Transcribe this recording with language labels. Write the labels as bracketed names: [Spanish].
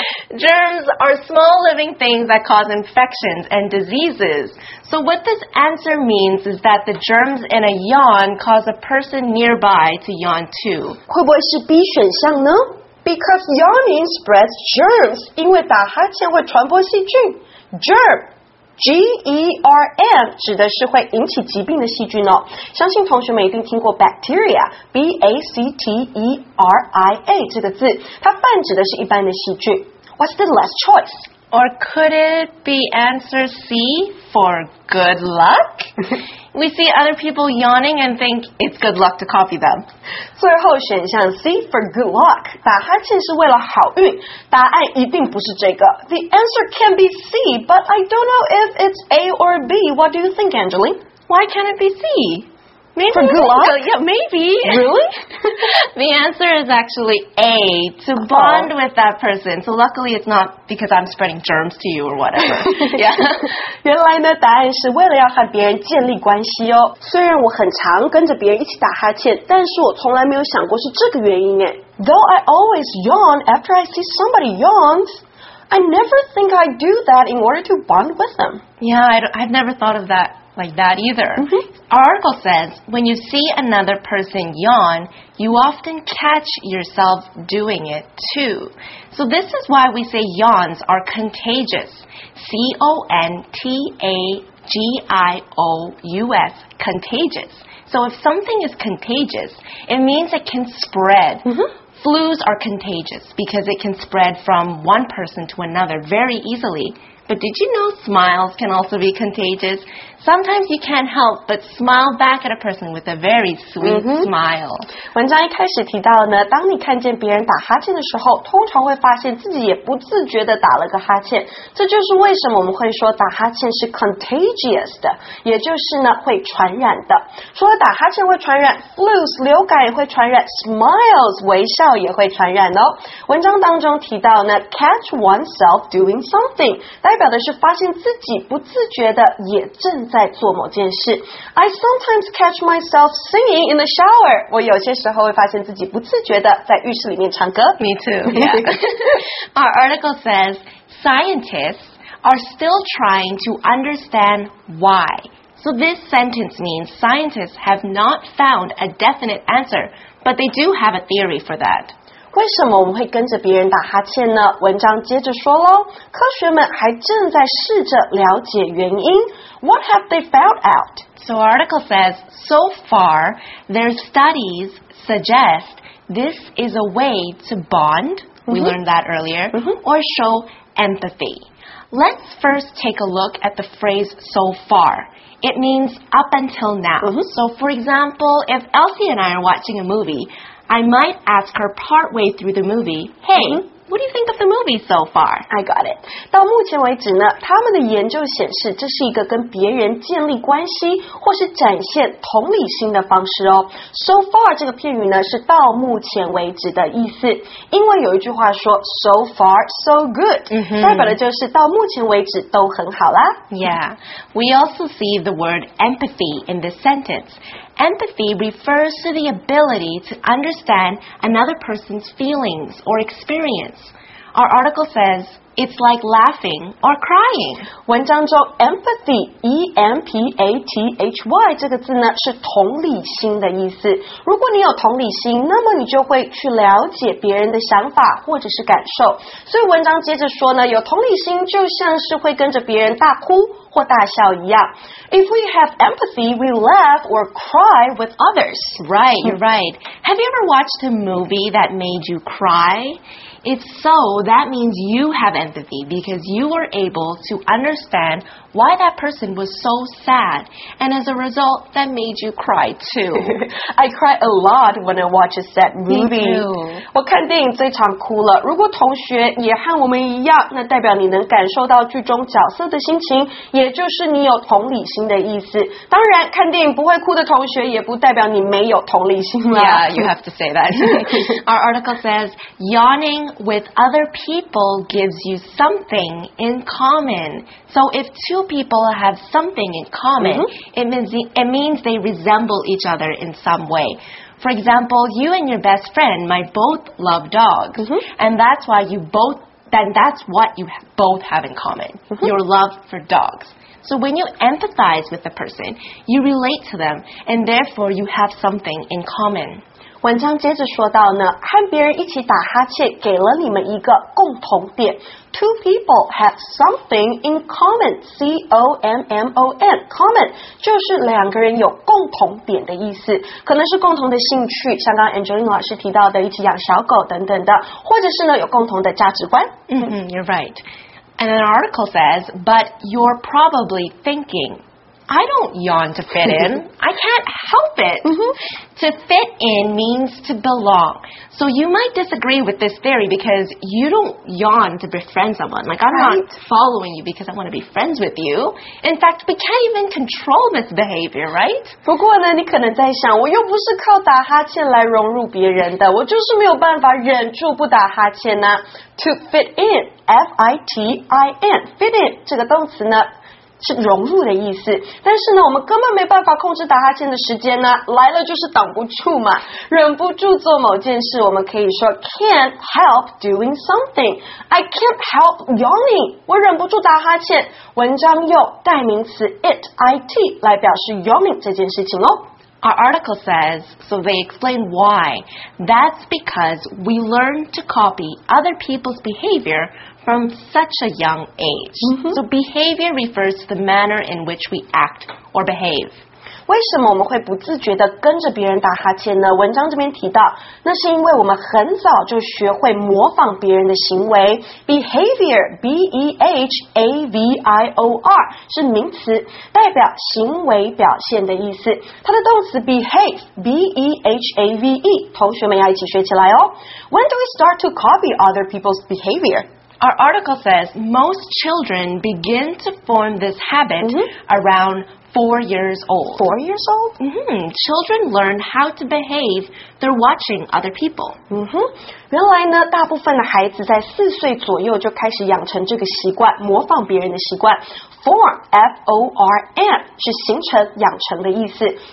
[English] Germs are small living things that cause infections and diseases. So what this answer means is that the germs in a yawn cause a person nearby to yawn too. [Chinese] 会不会是 B 选项呢? [English] Because yawning spreads germs. [Chinese] 因为打哈欠会传播细菌。 [English] Germ. [Chinese] G-E-R-M 指的是会引起疾病的细菌哦。相信同学们一定听过 bacteria, B-A-C-T-E-R-I-A 这个字，它泛指的是一般的细菌。 [English] What's the last choice? Or could it be answer C for good luck? We see other people yawning and think it's good luck to copy them. [Chinese] 最后选项 C [English] for good luck. [Chinese] 打哈欠是为了好运。答案一定不是这个。 [English] The answer can be C, but I don't know if it's A or B. What do you think, Angeline? Why can't it be C? Maybe, for good luck? Yeah, maybe. Really? The answer is actually A, to bond with that person. So luckily it's not because I'm spreading germs to you or whatever. Yeah. [Chinese] 原来呢答案是为了要和别人建立关系哦。虽然我很常跟着别人一起打哈欠，但是我从来没有想过是这个原因耶。 [English] Though I always yawn after I see somebody yawns, I never think I do that in order to bond with them. Yeah, I've never thought of that. like that either. Mm-hmm. Our article says, when you see another person yawn, you often catch yourself doing it too. So this is why we say yawns are contagious. C-O-N-T-A-G-I-O-U-S, contagious. So if something is contagious, it means it can spread. Mm-hmm. Flus are contagious because it can spread from one person to another very easily. But did you know smiles can also be contagious? Sometimes you can't help but smile back at a person with a very sweet smile. [Chinese] 文章一开始提到呢，当你看见别人打哈欠的时候，通常会发现自己也不自觉地打了个哈欠。这就是为什么我们会说打哈欠是 contagious 的，也就是呢会传染的。除了打哈欠会传染 ，flus 流感也会传染 ，smiles 微笑也会传染哦。文章当中提到呢 ， [English] catch oneself doing something [Chinese] 代表的是发现自己不自觉地也正。在做某件事 [English] I sometimes catch myself singing in the shower [Chinese] 我有些时候会发现自己不自觉的在浴室里面唱歌 [English] Me too、yeah. Our article says Scientists are still trying to understand why So this sentence means Scientists have not found a definite answer But they do have a theory for that [Chinese] 为什么我们会跟着别人打哈欠呢？文章接着说咯，科学们还正在试着了解原因。 [English] What have they found out? So article says, so far, their studies suggest this is a way to bond, we learned that earlier, or show empathy. Let's first take a look at the phrase so far. It means up until now. Mm-hmm. So, for example, if Elsie and I are watching a movie, I might ask her partway through the movie, Hey, what do you think of the movie so far? I got it. [Chinese] 到目前为止呢，他们的研究显示，这是一个跟别人建立关系或是展现同理心的方式哦。 So far 这个片语呢，是到目前为止的意思。因为有一句话说 ， [English] So far, so good，、 [Chinese] 代表的就是到目前为止都很好啦。 [English] Yeah, we also see the word empathy in this sentence. Empathy refers to the ability to understand another person's feelings or experience. Our article says, it's like laughing or crying. [Chinese] 文章中 empathy, E-M-P-A-T-H-Y, 这个字呢是同理心的意思。如果你有同理心，那么你就会去了解别人的想法或者是感受。所以文章接着说呢，有同理心就像是会跟着别人大哭。或大笑一样 [English] If we have empathy, we laugh or cry with others. Right, you're right. Have you ever watched a movie that made you cry? If so, that means you have empathy because you were able to understand why that person was so sad. And as a result, that made you cry too. I cry a lot when I watch a sad movie. Me too. [Chinese] 我看电影最常哭了。如果同学也和我们一样，那代表你能感受到剧中角色的心情。也就是你有同理心的意思。当然，看电影不会哭的同学也不代表你没有同理心啦。 [English] Yeah, you have to say that. Our article says, yawning with other people gives you something in common. So if two people have something in common, it means they resemble each other in some way. For example, you and your best friend might both love dogs, and that's why you both, then that's what you both have in common, your love for dogs. So when you empathize with the person, you relate to them, and therefore you have something in common. [Chinese] 文章接着说到呢，和别人一起打哈欠给了你们一个共同点。 [English] Two people have something in common, [Chinese] C-O-M-M-O-N, common, 就是两个人有共同点的意思。可能是共同的兴趣，像刚刚 Angelina 老师提到的一起养小狗等等的，或者是呢有共同的价值观。 [English] You're right. And an article says, but you're probably thinking... I don't yawn to fit in. I can't help it. To fit in means to belong. So you might disagree with this theory because you don't yawn to befriend someone. Like, I'm not following you because I want to be friends with you. In fact, we can't even control this behavior, right? [Chinese] 不过呢，你可能在想，我又不是靠打哈欠来融入别人的，我就是没有办法忍住不打哈欠呢。To fit in, F-I-T-I-N, fit in 这个动词呢是融入的意思，但是呢我们根本没办法控制打哈欠的时间呢，来了就是挡不住嘛，忍不住做某件事，我们可以说 [English] can't help doing something. I can't help yawning. [Chinese] 我忍不住打哈欠，文章用代名词 it, it 来表示 yawning 这件事情哦。 [English] Our article says, so they explain why. That's because we learn to copy other people's behavior from such a young age. Mm-hmm. So behavior refers to the manner in which we act or behave. [Chinese] 为什么我们会不自觉地跟着别人打哈欠呢？文章这边提到，那是因为我们很早就学会模仿别人的行为。 Behavior, B-E-H-A-V-I-O-R, 是名词，代表行为表现的意思。它的动词 behave, B-E-H-A-V-E, 同学们要一起学起来哦。 [English] When do we start to copy other people's behavior? Our article says most children begin to form this habit around 4 years old. 4 years old? Mm-hmm. Children learn how to behave. They're watching other people. Mm-hmm. [Chinese] 原来呢，大部分的孩子在四岁左右就开始养成这个习惯，模仿别人的习惯。 Form, F-O-R-M, 是形成、养成的意思。